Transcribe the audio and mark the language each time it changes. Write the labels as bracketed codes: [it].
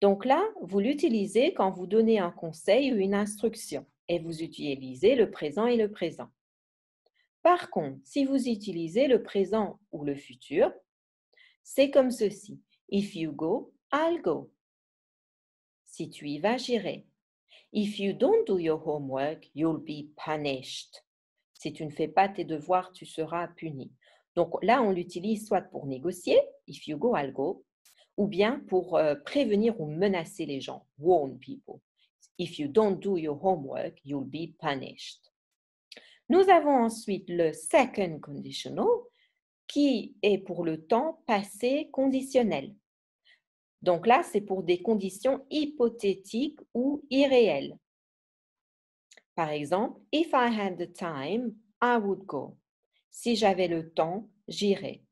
[fr] Donc là, vous l'utilisez quand vous donnez un conseil ou une instruction et vous utilisez le présent et le présent. Par contre, si vous utilisez le présent ou le futur, c'est comme ceci. [en] If you go, I'll go. [fr] Si tu y vas, j'irai. [en] If you don't do your homework, you'll be punished. [fr] Si tu ne fais pas tes devoirs, tu seras puni. Donc là, on l'utilise soit pour négocier, [en] if you go, I'll go, [fr] ou bien pour prévenir ou menacer les gens, [en] warn people. If you don't do your homework, you'll be punished. [fr] Nous avons ensuite le « second conditional » qui est pour le temps passé conditionnel. Donc là, c'est pour des conditions hypothétiques ou irréelles. Par exemple, [en] « if I had the time, I would go ». [fr] Si j'avais le temps, j'irais.